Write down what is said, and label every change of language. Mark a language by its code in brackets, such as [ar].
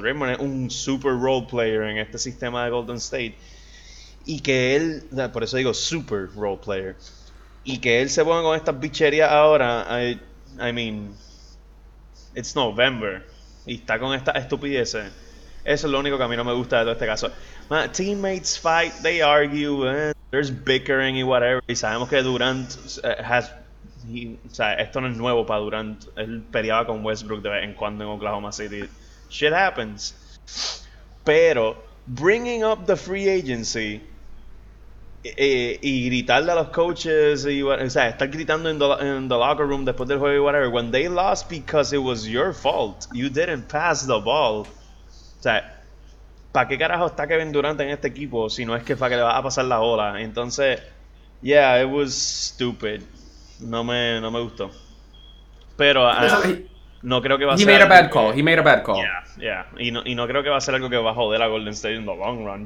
[es] Draymond es un super role player en este sistema de Golden State. Y que él, por eso digo super role player, y que él se ponga con estas bicherías ahora, [en] I mean, it's November [es] y está con estas estupideces. Eso es lo único que a mí no me gusta de todo este caso. [en] Teammates fight, they argue, there's bickering y whatever. [es] Y sabemos que Durant has... o sea, esto no es nuevo para Durant. Él peleaba con Westbrook de vez en cuando en Oklahoma City. [en] Shit happens. [es] Pero, [en] bringing up the free agency [es] y gritarle a los coaches y, o sea, estar gritando [en] in the locker room [es] después del juego y whatever. [en] When they lost because it was your fault, you didn't pass the ball. [es] O sea, ¿para qué carajo está Kevin Durant en este equipo si no es que para que le vas a pasar la bola? Entonces, yeah, [en] it was stupid. [es] No me gustó. Pero no creo que va a ser... [en] He made a bad call. [es] Yeah. Y no creo que va a ser algo que va a joder a Golden State [en] in the long run.